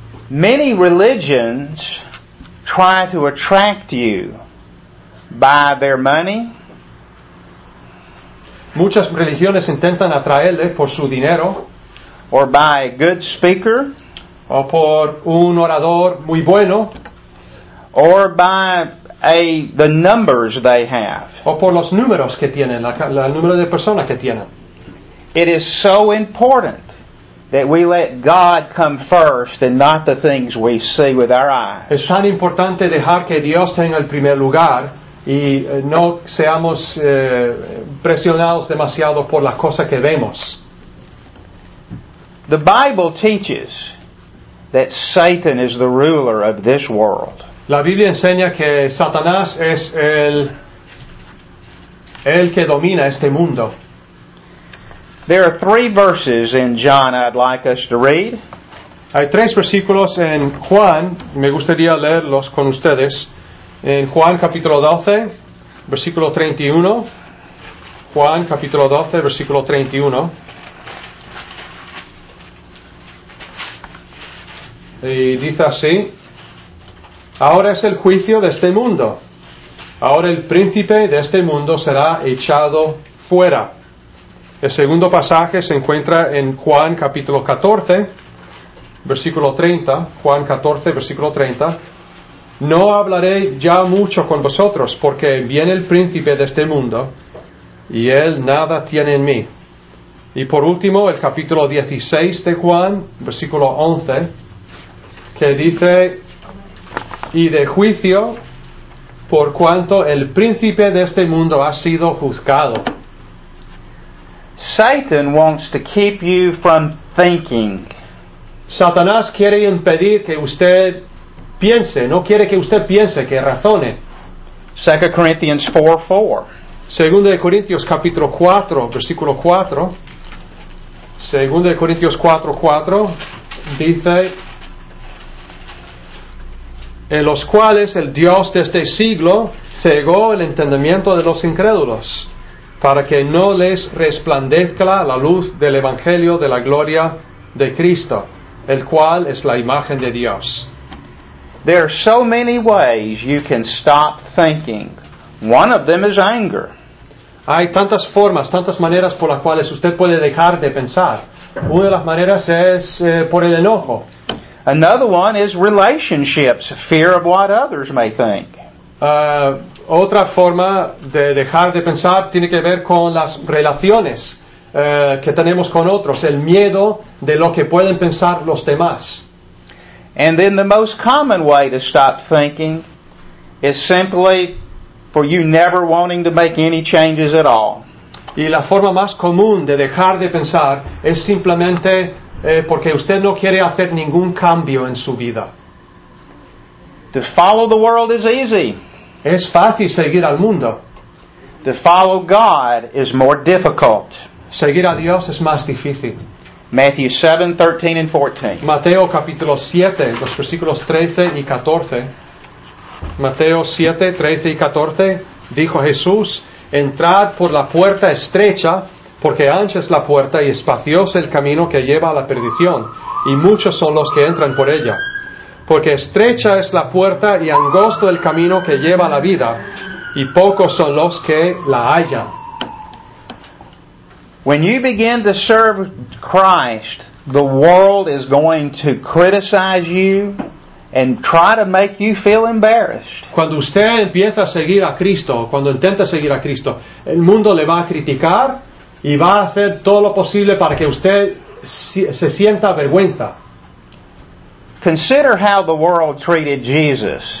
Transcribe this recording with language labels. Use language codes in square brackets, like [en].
[en] Many religions try to attract you by their money. [es] Muchas religiones intentan atraerle por su dinero. [en] Or by a good speaker. [es] O por un orador muy bueno. [en] Or by the numbers they have. [es] O por los números que tienen, el número de personas que tienen. [en] It is so important that we let God come first and not the things we see with our eyes. [es] Es tan importante dejar que Dios tenga el primer lugar y no seamos presionados demasiado por las cosas que vemos. [en] The Bible teaches that Satan is the ruler of this world. [es] La Biblia enseña que Satanás es el que domina este mundo. [en] There are three verses in John I'd like us to read. [es] Hay tres versículos en Juan. Me gustaría leerlos con ustedes. En Juan capítulo 12, versículo 31. Juan capítulo 12, versículo 31. Y dice así: ahora es el juicio de este mundo. Ahora el príncipe de este mundo será echado fuera. El segundo pasaje se encuentra en Juan capítulo 14, versículo 30. Juan 14, versículo 30. No hablaré ya mucho con vosotros, porque viene el príncipe de este mundo, y él nada tiene en mí. Y por último, el capítulo 16 de Juan, versículo 11, que dice: y de juicio, por cuanto el príncipe de este mundo ha sido juzgado. [en] Satan wants to keep you from thinking. [es] Satanás quiere impedir que usted piense, no quiere que usted piense, que razone. [en] 2 Corinthians 4:4. [es] 2 Corintios capítulo 4, versículo 4. 2 Corintios 4:4 dice: en los cuales el Dios de este siglo cegó el entendimiento de los incrédulos, para que no les resplandezca la luz del Evangelio de la gloria de Cristo, el cual es la imagen de Dios. [en] There are so many ways you can stop thinking. One of them is anger. [es] Hay tantas formas, tantas maneras por las cuales usted puede dejar de pensar. Una de las maneras es por el enojo. [en] Another one is relationships, fear of what others may think. [es] Otra forma de dejar de pensar tiene que ver con las relaciones que tenemos con otros, el miedo de lo que pueden pensar los demás. [en] And then the most common way to stop thinking is simply for you never wanting to make any changes at all. [es] Y la forma más común de dejar de pensar es simplemente porque usted no quiere hacer ningún cambio en su vida. [en] To follow the world is easy. [es] Es fácil seguir al mundo. [en] To follow God is more difficult. [es] Seguir a Dios es más difícil. [en] Matthew 7, 13 and 14. [es] Mateo capítulo 7, los versículos 13 y 14. Mateo 7, 13 y 14. Dijo Jesús: Entrad por la puerta estrecha, porque ancha es la puerta y espacioso el camino que lleva a la perdición, y muchos son los que entran por ella. Porque estrecha es la puerta y angosto el camino que lleva a la vida, y pocos son los que la hallan. [en] When you begin to serve Christ, the world is going to criticize you and try to make you feel embarrassed. [es] Cuando usted empieza a seguir a Cristo, cuando intenta seguir a Cristo, el mundo le va a criticar y va a hacer todo lo posible para que usted se sienta vergüenza. [en] Consider how the world treated Jesus.